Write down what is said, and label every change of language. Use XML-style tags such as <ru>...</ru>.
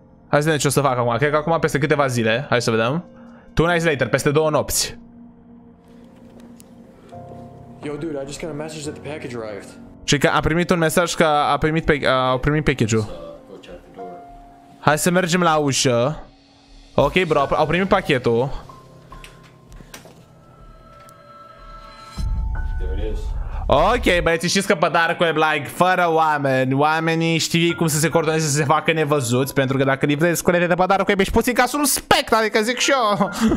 <ro>Hai să vedem ce o să fac acum. Cred că acum peste câteva zile. Hai să vedem.</ro> <en>Two nights later,</en> <ro>peste două nopți.</ro> <en>Yo, dude, I just got a message that the package arrived.</en> <ro>Și că a primit un mesaj că au primit package-ul. Hai să mergem la ușă. Ok, bro, au primit pachetul. Ok, băieți, știți că pe Darkweb, like, fără oameni, oamenii știu cum să se coordoneze, să se facă nevăzuți, pentru că dacă livrezi cu de pe Darkweb, ești puțin ca suspect, adică zic și eu.</ro>